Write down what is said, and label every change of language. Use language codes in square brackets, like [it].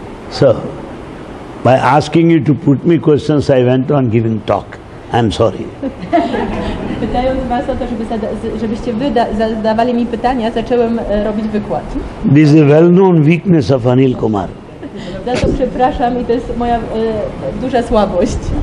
[en] So, by asking you to put me questions, I went on giving talk. I'm sorry. [pl] Pytając was o to, żebyście wy zadawali mi pytania, zacząłem robić wykład. [en] This is a well-known weakness of Anil Kumar. [pl] Za to przepraszam i to jest moja duża słabość.